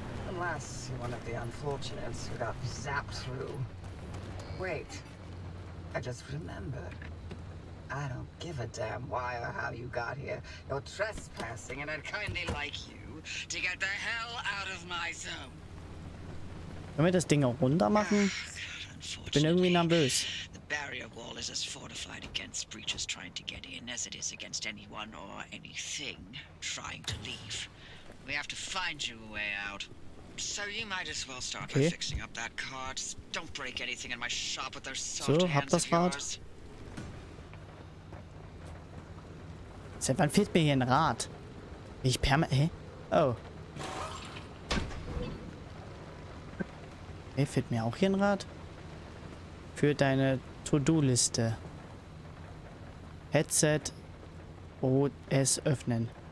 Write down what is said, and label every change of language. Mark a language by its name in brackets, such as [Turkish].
[English] Unless you're one of the unfortunates who got zapped through. Wait, I just remembered. I don't give a damn why or how you got here. You're trespassing, and I'd kindly like you to get the hell out of my zone. [German] Können wir das Ding auch runter machen? Ich bin irgendwie nervös. [English] Barrier wall is as fortified against breaches trying to get in as it is against anyone or anything trying to leave. We have to find you a way out. So you might as well start by fixing up that cart. Don't break anything in my shop with those soft hands. [German] So, hab das Rad. Seit wann fehlt mir hier ein Rad? Ich perma. Hä? Oh. Hey, fehlt mir auch hier ein Rad? Für deine To-Do-Liste. Headset OS öffnen.